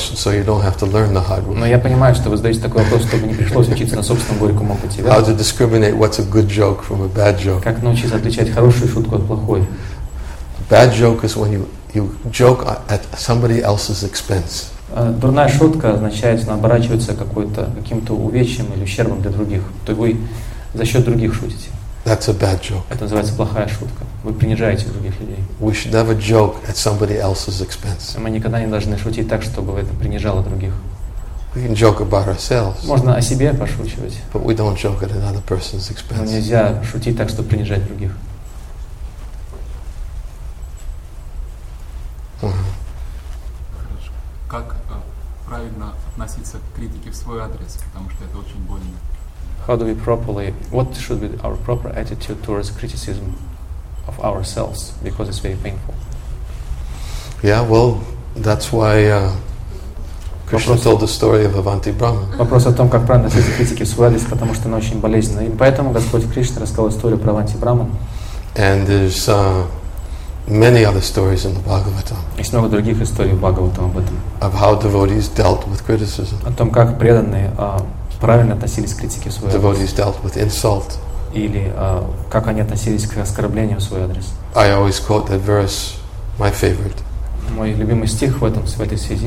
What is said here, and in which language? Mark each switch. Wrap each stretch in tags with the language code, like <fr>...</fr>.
<ru>Но я понимаю, что вы задаете такой вопрос, чтобы не пришлось учиться на собственном горьком опыте.</ru> <en>How to discriminate what's a good joke from a bad joke?</en> <ru>Как научиться отличать хорошую шутку от плохой?</ru> <en>Bad joke is when you joke at somebody else's expense.</en> <ru>Дурная шутка означает, она оборачивается каким-то увечьем или ущербом для других. То есть вы за счет других шутите.</ru> <en>That's a bad joke.</en> <ru>Это называется плохая шутка. Вы принижаете других людей.</ru> <en>We should never joke at somebody else's expense.</en> <ru>Мы никогда не должны шутить так, чтобы это принижало других.</ru> <en>We can joke about ourselves.</en> <ru>Можно о себе пошучивать.</ru> <en>But we don't joke at another person's expense.</en> <ru>Но нельзя шутить так, чтобы принижать других. Как правильно относиться к критике в свой адрес, потому что это очень больно.</ru> <en>How do we properly, what should be our proper attitude towards criticism of ourselves, because it's very painful? Yeah, well, that's why Krishna told the story of Avanti Brahma.</en> <ru>Вопрос о том, как правильно относиться к критике в свой адрес, потому что она очень болезненна. И поэтому Господь Кришна рассказал историю про Аванти Брахман.</ru> <en>And there's many other stories in the Bhagavatam.</en> <ru>Есть много других историй в Бхагаватам об этом.</ru> <en>Of how devotees dealt with criticism.</en> <ru>О том, как преданные правильно относились к критике в свой адрес.</ru> <en>Devotees dealt with insult.</en> <ru>Или как они относились к оскорблению в свой адрес.</ru> <en>I always quote that verse, my favorite.</en> <ru>Мой любимый стих в этой связи.</ru>